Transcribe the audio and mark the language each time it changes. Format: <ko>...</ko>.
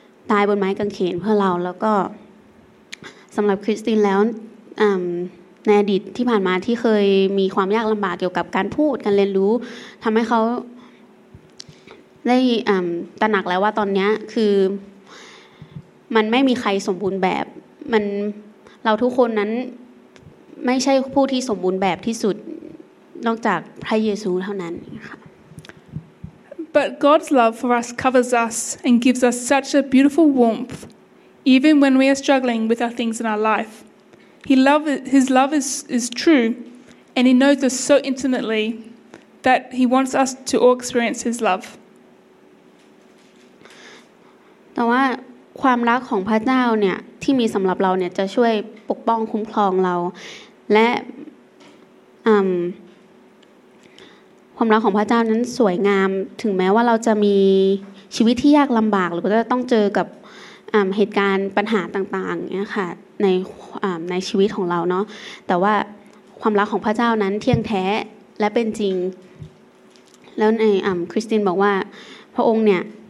<th>ตายบนไม้กางเขนเพื่อเราแล้วก็สำหรับคริสตินแล้วในอดีตที่ผ่านมาที่เคยมีความยากลำบากเกี่ยวกับการพูดการเรียนรู้ทำให้เขาได้ตระหนักแล้วว่าตอนนี้คือมันไม่มีใครสมบูรณ์แบบมันเราทุกคนนั้นไม่ใช่ผู้ที่สมบูรณ์แบบที่สุดนอกจากพระเยซูเท่านั้นค่ะ</th> <en>But God's love for us covers us and gives us such a beautiful warmth even when we are struggling with our things in our lifeHis love is true, and he knows us so intimately that he wants us to all experience his love.</en> <th>แต่ว่าความรักของพระเจ้าเนี่ยที่มีสำหรับเราเนี่ยจะช่วยปกป้องคุ้มครองเราและความรักของพระเจ้านั้นสวยงามถึงแม้ว่าเราจะมีชีวิตที่ยากลำบากหรือว่าจะต้องเจอกับเหตุการณ์ปัญหาต่างๆเนี่ยค่ะในชีวิตของเราเนาะแต่ว่าความรักของพระเจ้านั้นเที่ยงแท้และเป็นจริงแล้วในคริสตินบอกว่าพระองค์เนี่ย</th>